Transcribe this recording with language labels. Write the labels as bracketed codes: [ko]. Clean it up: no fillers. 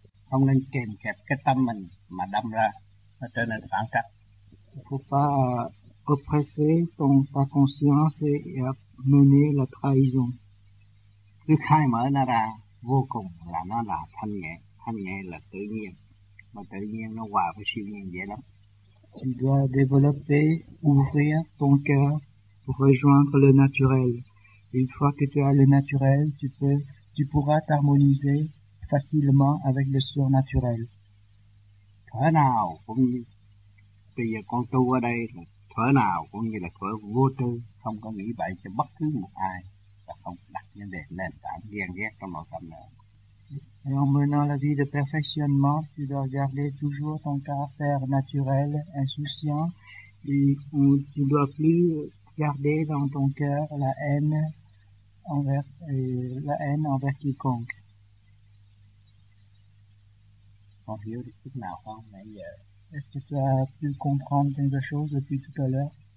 [vi] Không nên kèm kẹp cái tâm mình mà đâm ra nó trở nên phản cách. [fr] Il faut pas oppresser ta conscience et mener la trahison. [vi] Cứ khai mở nó ra vô cùng là nó là thanh nhẹ. Thanh nhẹ là tự nhiên. Mà tự nhiên nó hòa với siêu nhiên dễ lắm. [fr] Tu dois développer, ouvrir ton cœur pour rejoindre le naturel. Une fois que tu as le naturel, tu pourras t'harmoniser facilement avec le surnaturel. [vi] Thở nào cũng như bây giờ con tu ở đây là thở nào cũng như là thở vô tư, không có nghĩ bậy cho bất cứ một ai và không đặt vấn đề nền tảng ghen ghét trong nội tâm nào. [fr] Et en menant la vie de perfectionnement, tu dois garder toujours ton caractère naturel, insouciant, et où tu dois plus garder dans ton cœur la haine envers quiconque. [vi] Con hiểu được chút nào không nãy giờ? [fr] Est-ce que tu as pu comprendre quelque chose depuis tout à l'heure?